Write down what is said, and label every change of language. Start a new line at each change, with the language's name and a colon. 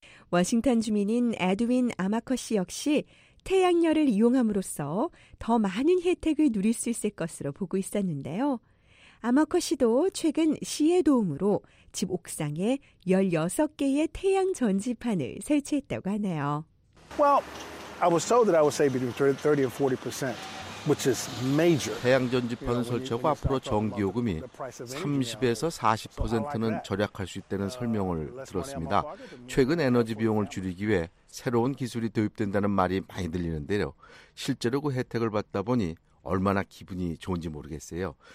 Korean: 워싱턴 주민인 에드윈 아마커 씨 역시 태양열을 이용함으로써 더 많은 혜택을 누릴 수 있을 것으로 보고 있었는데요. 아마커 씨도 최근 시의 도움으로 집 옥상에 16개의 태양 전지판을 설치했다고 하네요.
English: Well, I was told that I would save between 30 and 40%.
Korean: 태양 전지판 설치하고 앞으로 전기 요금이 30에서 40%는 절약할 수 있다는 설명을 들었습니다. 최근 에너지 비용을 줄이기 위해 새로운 기술이 도입된다는 말이 많이 들리는데요. 실제로 그 혜택을 받다 보니 얼마나 기분이 좋은지 모르겠어요.